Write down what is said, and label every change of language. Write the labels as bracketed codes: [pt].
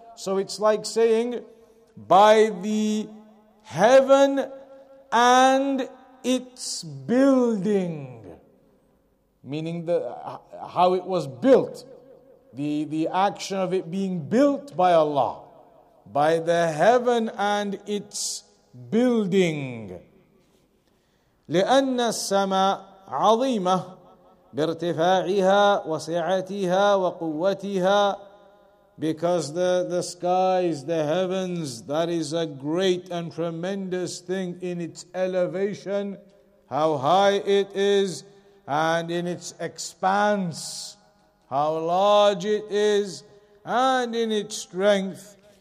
[en] So it's like saying, by the heaven and its building, meaning the how it was built, the action of it being built by Allah, by the heaven and its building. [ar] لأن السماء عظيمة بارتفاعها وسعتها وقوتها. [en] Because the skies, the heavens, that is a great and tremendous thing in its elevation, how high it is, and in its expanse, how large it is, and in its strength.